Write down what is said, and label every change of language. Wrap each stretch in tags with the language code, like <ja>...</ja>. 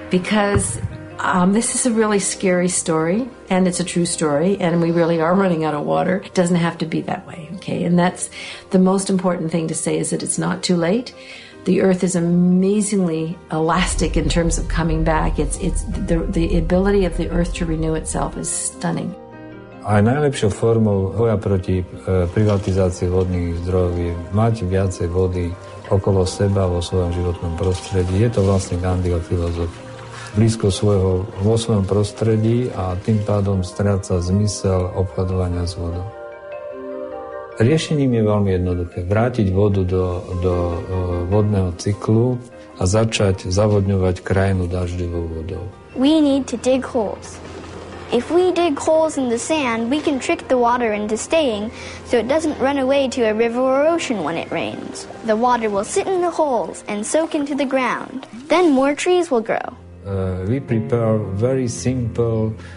<en>Because this is a really scary story, and it's a true story, and we really are running out of water. It doesn't have to be that way, okay? And that's the most important thing to say, is that it's not too late. The earth is amazingly elastic in terms of coming back. It's the ability of the earth to renew itself is stunning.</en> <sk>Aj najlepšou formou boja proti privatizácii vodných zdrojov je mať viacej vody okolo seba vo svojom životnom prostredí. Je to vlastne Gandhiho filozof. Blízko svojho vo svojom prostredí a tým pádom stráca zmysel obchodovania s vodou. Riešením je veľmi jednoduché. Vrátiť vodu do vodného cyklu a začať zavodňovať krajinu dažďovou vodou.</sk> <en>We need to dig holes. If we dig holes in the sand, we can trick the water into staying so it doesn't run away to a river or ocean when it rains. The water will sit in the holes and soak into the ground. Then more trees will grow. We prepare very simple</en>